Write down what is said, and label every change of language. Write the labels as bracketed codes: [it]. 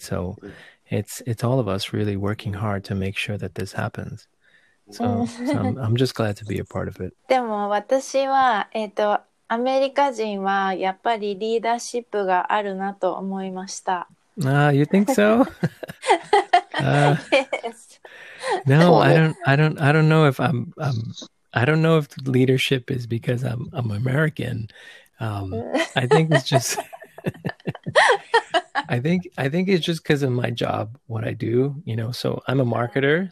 [en] So it's all of us really working hard to make sure that this happens. So I'm just glad to be a part of it. [ja] でも私は、アメリカ人はやっぱりリーダーシップがあるなと思いました。 [en] You think so? yes. No, I don't know if I don't know if leadership is because I'm American. I think it's just, I think it's just because of my job, what I do, you know, so I'm a marketer.